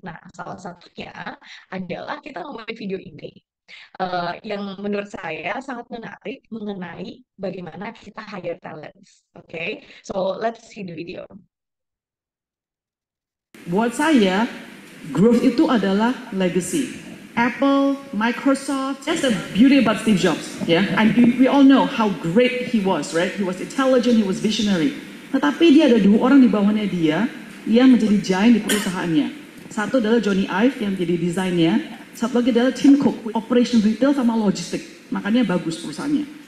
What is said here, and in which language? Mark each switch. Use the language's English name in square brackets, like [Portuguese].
[Indonesian] Nah, salah satunya adalah kita ngomongin video ini. Yang menurut saya sangat menarik mengenai bagaimana kita hire talents. [English] Okay, so let's see the video. [Indonesian] Buat saya, growth itu adalah legacy. [English] Apple, Microsoft, that's the beauty about Steve Jobs. Yeah, and we all know how great he was, right? He was intelligent, he was visionary. [Indonesian] Tetapi dia ada dua orang di bawahnya dia yang menjadi giant di perusahaannya. Satu adalah Johnny Ive yang jadi desainnya. Satu lagi adalah Tim Cook, operation retail sama logistik. Makanya bagus perusahaannya.